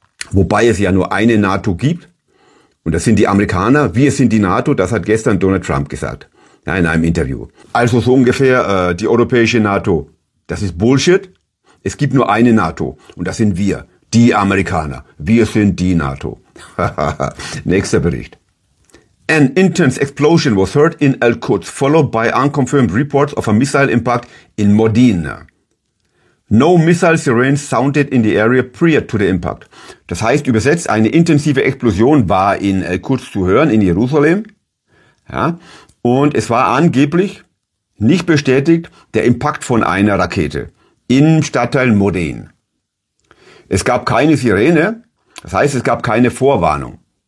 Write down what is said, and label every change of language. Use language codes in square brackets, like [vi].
[de] Wobei es ja nur eine NATO gibt. Und das sind die Amerikaner. Wir sind die NATO. Das hat gestern Donald Trump gesagt. Ja, in einem Interview. Also so ungefähr, die europäische NATO. Das ist Bullshit. Es gibt nur eine NATO und das sind wir, die Amerikaner. Wir sind die NATO. Nächster Bericht. [en] An intense explosion was heard in Al-Quds, followed by unconfirmed reports of a missile impact in Modena. No missile sirens sounded in the area prior to the impact. [de] Das heißt, übersetzt, eine intensive Explosion war in Al-Quds zu hören, in Jerusalem. Ja, und es war angeblich nicht bestätigt, der Impact von einer Rakete. Im Stadtteil Modin. Es gab keine Sirene, das heißt, es gab keine Vorwarnung.